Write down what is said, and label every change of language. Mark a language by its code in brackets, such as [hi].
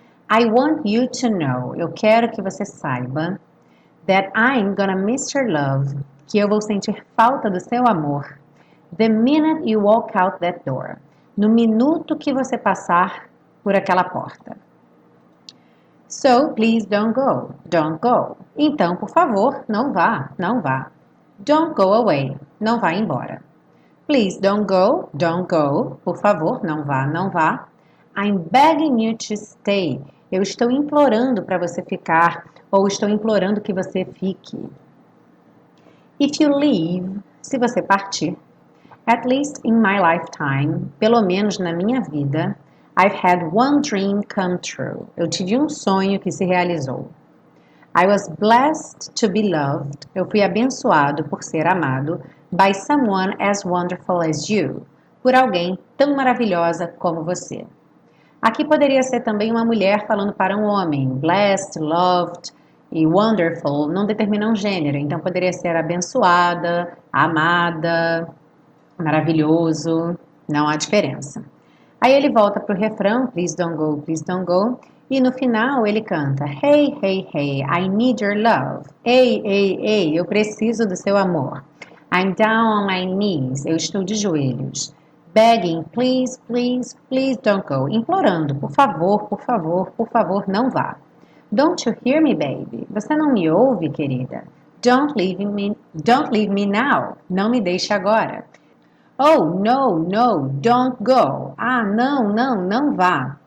[en] I want you to know. [pt] Eu quero que você saiba. [en] That I'm gonna miss your love, [pt] que eu vou sentir falta do seu amor, [en] the minute you walk out that door, [pt] no minuto que você passar por aquela porta. [en] So, please don't go, don't go. [pt] Então, por favor, não vá, não vá. [en] Don't go away, [pt] não vá embora. [en] Please don't go, don't go. [pt] Por favor, não vá, não vá. [en] I'm begging you to stay. [pt] Eu estou implorando para você ficar, ou estou implorando que você fique. [en] If you leave, [pt] se você partir, [en] at least in my lifetime, [pt] pelo menos na minha vida, [en] I've had one dream come true. [pt] Eu tive um sonho que se realizou. [en] I was blessed to be loved. [pt] Eu fui abençoado por ser amado [en] by someone as wonderful as you. [pt] Por alguém tão maravilhosa como você. Aqui poderia ser também uma mulher falando para um homem. Blessed, loved e wonderful não determinam gênero. Então poderia ser abençoada, amada, maravilhoso. Não há diferença. Aí ele volta para o refrão. [en] Please don't go, please don't go. [pt] E no final ele canta. [en] Hey, hey, hey, I need your love. [pt] Hey, hey, hey, eu preciso do seu amor. [en] I'm down on my knees. [pt] Eu estou de joelhos. [en] Begging, please, please, please don't go. [pt] Implorando, por favor, por favor, por favor, não vá. [en] Don't you hear me, baby? [pt] Você não me ouve, querida? [en] Don't leave me now. [pt] Não me deixe agora. [en] Oh, no, no, don't go. [pt] Ah, não, não, não vá.